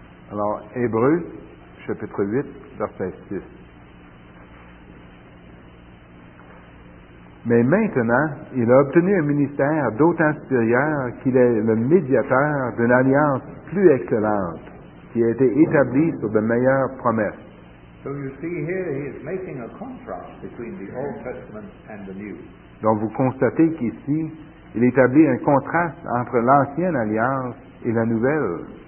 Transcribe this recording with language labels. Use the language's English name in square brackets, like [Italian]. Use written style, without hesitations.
[French] Alors, Hébreux chapitre 8, verset 6. Mais maintenant, il a obtenu un ministère d'autant supérieur qu'il est le médiateur d'une alliance plus excellente qui a été établie sur de meilleures promesses. [English] So you see here, he is making a contrast between the Old Testament and the New. [French] Donc vous constatez qu'ici, il établit un contraste entre l'ancienne alliance et la nouvelle.